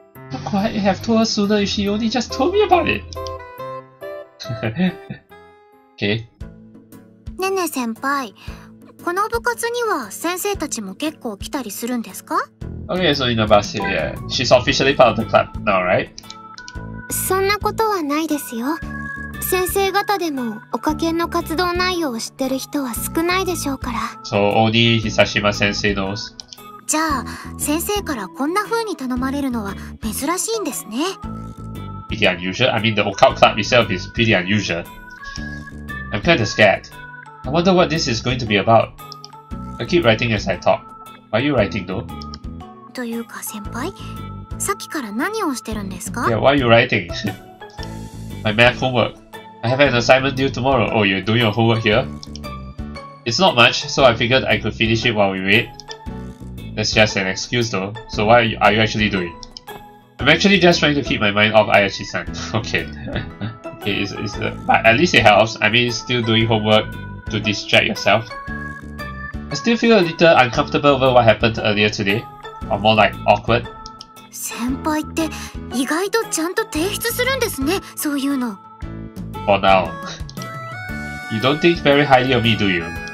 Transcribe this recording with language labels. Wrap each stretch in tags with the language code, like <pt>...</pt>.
<en>I could have told her sooner if she only just told me about it. Okay.</en> <ja>Nene-senpai, この部活には先生たちも結構来たりするんですか?</ja> <en>Okay, so in the bus, yeah. She's officially part of the club now, right?</en> <ja>そんなことはないですよ。先生方でもおかけんの活動内容を知ってる人は少ないでしょうから。</ja> <en>So, only Hisashima sensei knows.</en> <ja>じゃあ、先生からこんな風に頼まれるのは珍しいんですね。</ja> <en>Pretty unusual. I mean, the occult club itself is pretty unusual. I'm kind of scared. I wonder what this is going to be about. I keep writing as I talk. Why are you writing though?</en> <ja>というか、先輩、さっきから何をしてるんですか?</ja> <en>Yeah, why are you writing? My math homework. I have an assignment due tomorrow. Oh, you're doing your homework here? It's not much, so I figured I could finish it while we wait. That's just an excuse though. So what are you actually doing? I'm actually just trying to keep my mind off Ayachi-san. Okay. Okay, but at least it helps. I mean, still doing homework to distract yourself. I still feel a little uncomfortable over what happened earlier today. Or more like awkward.</en> <ja>先輩って意外とちゃんと提出するんですね、そういうの。</ja> <en>For now. You don't think very highly of me, do you?</en>